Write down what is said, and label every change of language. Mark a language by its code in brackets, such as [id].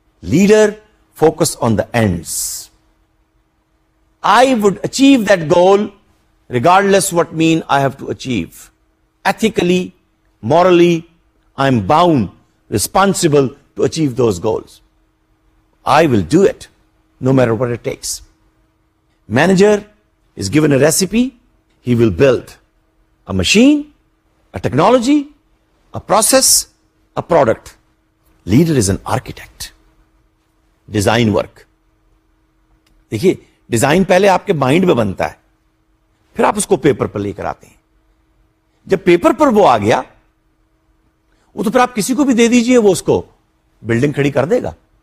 [en] Leader focus on the ends. I would achieve that goal regardless what mean I have to achieve ethically morally I am bound responsible to achieve those goals. I will do it no matter what it takes. Manager is given a recipe, he will build a machine, a technology, a process, a product. Leader is an architect. Design work. [ur] دیکھیے design پہلے آپ کے mind میں بنتا ہے, پھر آپ اس کو پیپر پر لے کر آتے ہیں. جب پیپر پر وہ آ گیا, وہ تو پھر آپ کسی کو بھی دے دیجیے, وہ اس کو بلڈنگ کھڑی کر دے گا.